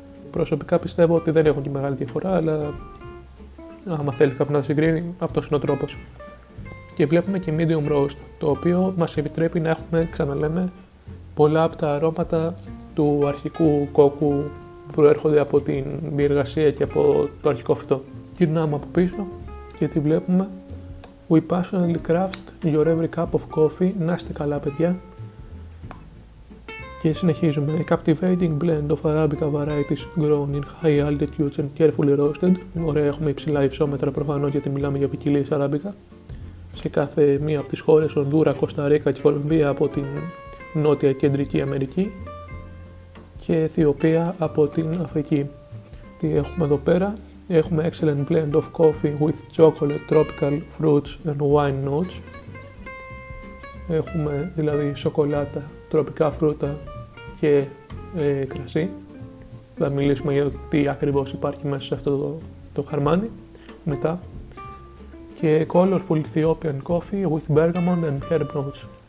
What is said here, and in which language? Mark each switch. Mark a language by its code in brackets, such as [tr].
[el] Προσωπικά πιστεύω ότι δεν έχουν και μεγάλη διαφορά, αλλά άμα θέλει κάποιο να τα συγκρίνει, αυτός είναι ο τρόπος. Και βλέπουμε και medium roast, το οποίο μας επιτρέπει να έχουμε, ξαναλέμε, πολλά από τα αρώματα του αρχικού κόκκου που προέρχονται από την διεργασία και από το αρχικό φυτό. Γυρνάμε από πίσω και τι βλέπουμε. [en] We passionately craft your every cup of coffee. [el] Να είστε καλά, παιδιά. Και συνεχίζουμε. [en] A captivating blend of Arabica varieties grown in high altitudes and carefully roasted. [el] Ωραία, έχουμε υψηλά υψόμετρα προφανώς, γιατί μιλάμε για ποικιλίες Arabica. Σε κάθε μία από τις χώρες, Ονδούρα, Κωνσταρίκα και Κολομβία από την Νότια Κεντρική Αμερική και Αιθιοπία από την Αφρική. Τι έχουμε εδώ πέρα. Έχουμε [en] excellent blend of coffee with chocolate, tropical fruits and wine notes. [el] Έχουμε δηλαδή σοκολάτα, τροπικά φρούτα και κρασί. Θα μιλήσουμε για τι ακριβώς υπάρχει μέσα σε αυτό το χαρμάνι μετά. Και [en] colorful Ethiopian coffee with bergamot and herb notes.